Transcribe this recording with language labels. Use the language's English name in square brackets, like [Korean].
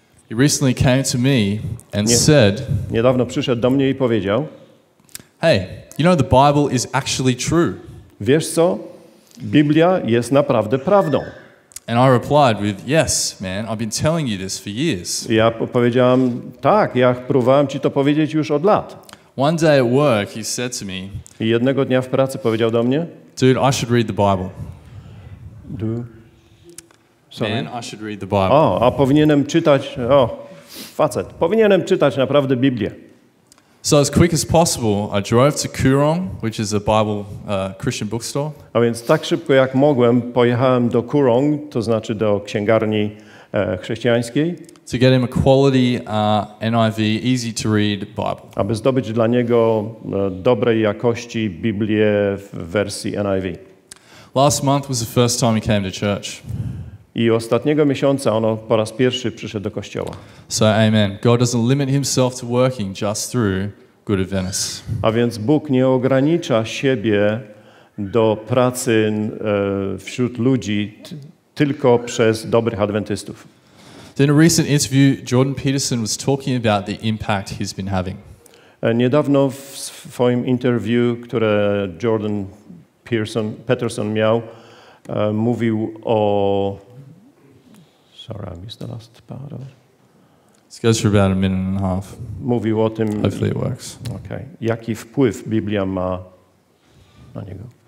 [English] He recently came to me and said. [Polish] Niedawno przyszedł do mnie i powiedział: [English] "Hey, you know the Bible is actually true." [Polish] Wiesz co? Biblia jest naprawdę prawdą. [English] And I replied with, "Yes, man, I've been telling you this for years." [Polish] Ja powiedziałam: "Tak, ja próbowałem ci to powiedzieć już od lat." [English] One day at work, he said to me. [Polish] I jednego dnia w pracy powiedział do mnie: [English] "Dude, I should read the Bible." Man, I should read the Bible. [Polish] O, a powinienem czytać, o, facet, powinienem czytać naprawdę Biblię. [English] So as quick as possible, I drove to Kurong, which is a Bible Christian bookstore. [Polish] A więc tak szybko jak mogłem, pojechałem do Kurong, to znaczy do księgarni chrześcijańskiej. [English] To get him a quality NIV, easy to read Bible. [Polish] Aby zdobyć dla niego dobrej jakości Biblię w wersji NIV. [English] Last month was the first time he came to church. [Polish] I ostatniego miesiąca ono po raz pierwszy przyszedł do kościoła. [English] So amen. God doesn't limit himself to working just through Good Adventists. [Polish] A więc Bóg nie ogranicza siebie do pracy wśród ludzi tylko przez dobrych adwentystów. [English] In a recent interview, Jordan Peterson was talking about the impact he's been having. [Polish] Niedawno w swoim interview, które Jordan Peterson miał, mówił o... [English] Sorry, I missed the last part of it. It goes for about a minute and a half. [Polish] Mówił o tym... [English] Hopefully it works. Okay. [Polish] Jaki wpływ Biblia ma na niego?